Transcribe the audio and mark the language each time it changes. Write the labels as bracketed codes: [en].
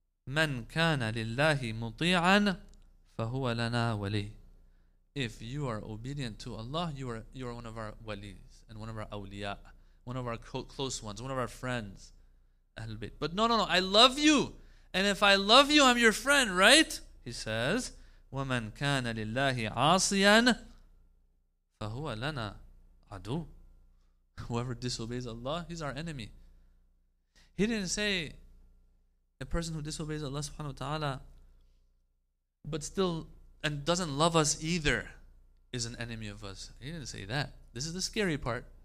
[ar] مَنْ كَانَ لِلَّهِ مُطِيعًا فَهُوَ لَنَا وَلِي. [en] If you are obedient to Allah, you are one of our walis and one of our awliya, one of our close ones, one of our friends. Ahlul Bayt. But no, I love you. And if I love you, I'm your friend, right? He says, [ar] وَمَنْ كَانَ لِلَّهِ عَاصِيًا فَهُوَ لَنَا عَدُو. [en] Whoever disobeys Allah, he's our enemy. He didn't say a person who disobeys Allah subhanahu wa ta'ala, but still and doesn't love us either, is an enemy of us. He didn't say that. This is the scary part.